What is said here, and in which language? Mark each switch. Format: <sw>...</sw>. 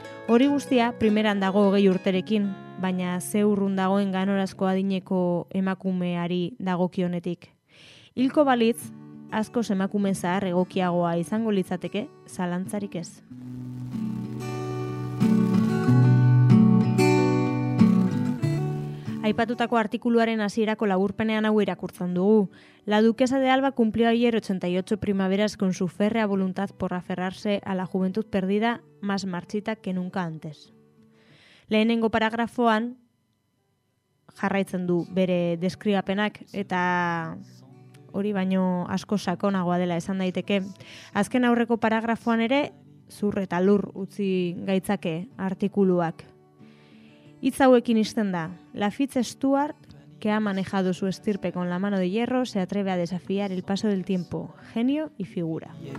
<eu>Hori guztia primeran dago 20 urterekin, baina ze urrun dagoen ganorazko adineko emakumeari dagokionetik. Hilko balitz, askoz emakume zahar egokiagoa izango litzateke, zalantzarik ez. Aipatutako artikuluaren hasierako laburpenean hau irakurtzen dugu.</eu> <es>La duquesa de Alba cumplió ayer 88 primaveras con su férrea voluntad por aferrarse a la juventud perdida más marchita que nunca antes.</es> <eu>Lehenengo paragrafoan jarraitzen du bere deskribapenak eta hori baino asko sakonagoa dela esan daiteke. Azken aurreko paragrafoan ere zur eta lur utzi gaitzake artikuluak. Hitz hauekin izten da,</eu> <es>La Fitz-Stuart, que ha manejado su estirpe con la mano de hierro, se atreve a desafiar el paso del tiempo, genio y figura.</es>